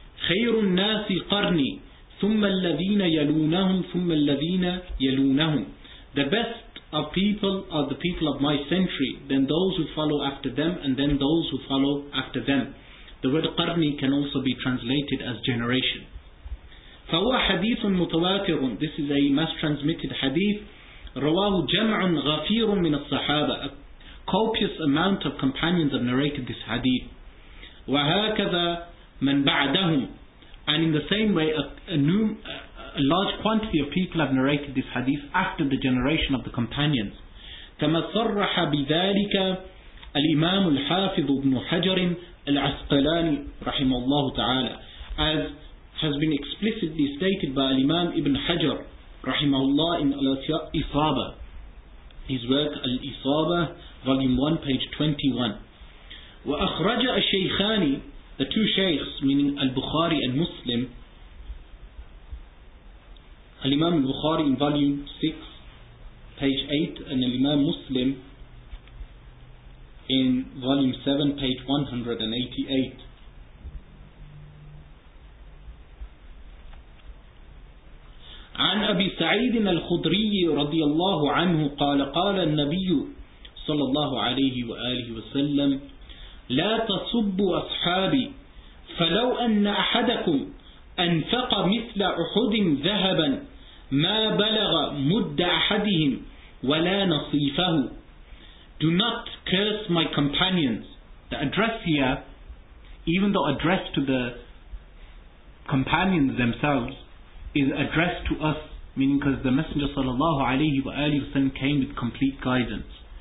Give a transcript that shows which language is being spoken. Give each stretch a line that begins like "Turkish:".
Arabic: خَيْرُ النَّاسِ قَرْنِي ثُمَّ الَّذِينَ يَلُونَهُمْ
English: ثُمَّ الَّذِينَ يَلُونَهُمْ The best of people are the people of my century, then those who follow after them, and then those who follow after them. The word qarni can also be translated as generation.
Arabic: فَوَا حَدِيثٌ مُتَوَاتِرٌ
English: This is a mass transmitted hadith.
Arabic: رواه جمع غفير من الصحابة.
English: A copious amount of companions have narrated this hadith.
Arabic: وهكذا من بعدهم.
English: And in the same way, a large quantity of people have narrated this hadith after the generation of the companions.
Arabic: كما صرح بذلك الإمام الحافظ ابن حجر العسقلاني رحمه الله تعالى.
English: As has been explicitly stated by Imam Ibn Hajar رحمه الله in Al-Isaba, his work Al-Isaba, volume 1, page 21.
Arabic: وأخرج الشيخان,
English: the two sheikhs, meaning Al-Bukhari and Muslim, Al-Imam Al-Bukhari in volume 6, page 8, and Al-Imam Muslim in volume 7, page 188.
Arabic: عن أبي سعيد الخدري رضي الله عنه قال قال النبي صلى الله عليه وآله وسلم لا تصبوا أصحابي فلو أن أحدكم أنفق مثل أحد ذهبا ما بلغ مد أحدهم ولا نصيفه.
English: Do not curse my companions. The address here, even though addressed to the companions themselves, is addressed to us, meaning because the Messenger sallallahu alayhi wa alayhi wa sallam came with complete guidance.